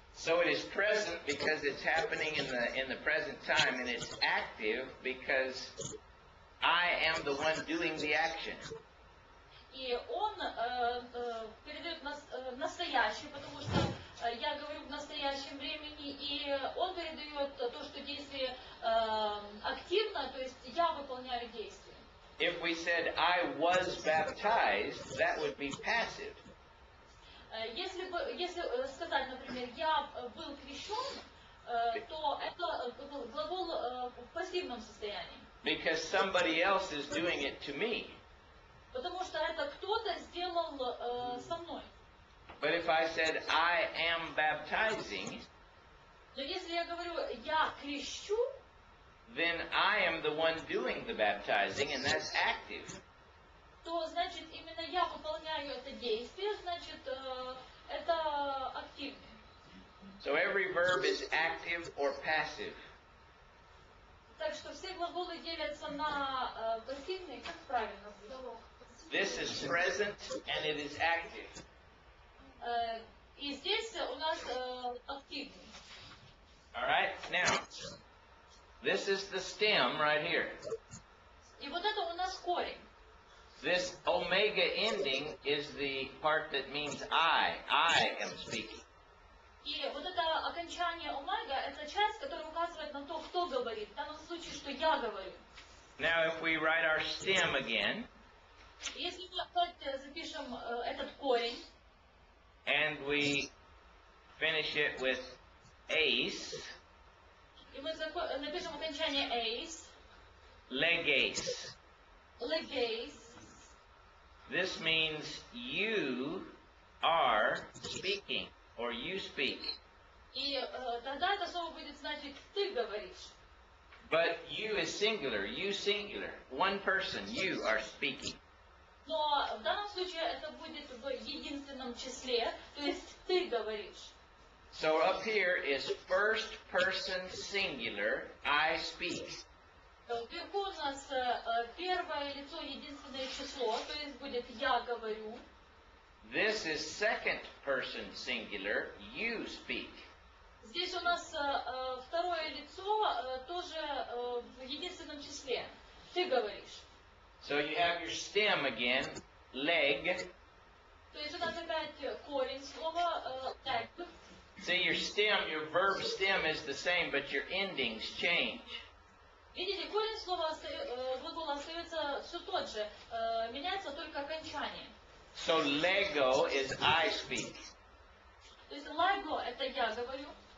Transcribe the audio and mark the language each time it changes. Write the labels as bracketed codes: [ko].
[en] So it is present because it's happening in the present time, and it's active because I am the one doing the action. [ru] И он передает настоящее, потому что я говорю в настоящем времени, и он передает то, что действие активно, то есть я выполняю действие. [en] If we said, I was baptized, that would be passive. [ru] Если сказать, например, я был крещен, то это глагол в пассивном состоянии. [en] Because somebody else is doing it to me. [ru] Потому что это кто-то сделал со мной. [en] But if I said, I am baptizing, [ru] то если я говорю, я крещу, [en] then I am the one doing the baptizing, and that's active. [ru] То значит именно я выполняю это действие, значит это активное. [en] So every verb is active or passive. [ru] Так что все глаголы делятся на пассивные, как правильно? [en] This is present and it is active. [ru] И здесь у нас активный. [en] All right, now. This is the stem right here. [ru] И вот это у нас корень. [en] This omega ending is the part that means I am speaking. [ru] И вот это окончание омега это часть, которая указывает на то, кто говорит. В данном случае, что я говорю. [en] Now if we write our stem again. [ru] Если мы опять запишем этот корень. [en] And we finish it with ace. [ru] И мы напишем окончание ace. Legace. Legace. [en] This means you are speaking, or you speak. [ru] И тогда это слово будет значить ты говоришь. [en] But you is singular, you singular. One person, you are speaking. [ru] Но в данном случае это будет в единственном числе, то есть ты говоришь. [en] So up here is first person singular, I speak. [ru] Вверху у нас первое лицо, единственное число, то есть будет я говорю. [en] This is second person singular, you speak. [ru] Здесь у нас второе лицо тоже в единственном числе, ты говоришь. [en] So you have your stem again, leg. [ru] То есть у нас опять корень слова leg. [en] See, your stem, your verb stem is the same, but your endings change. [ru] Видите, корень слова глагола остается все тот же, меняется только окончание. [en] So Lego is I speak. [ru] То есть Lego это я говорю.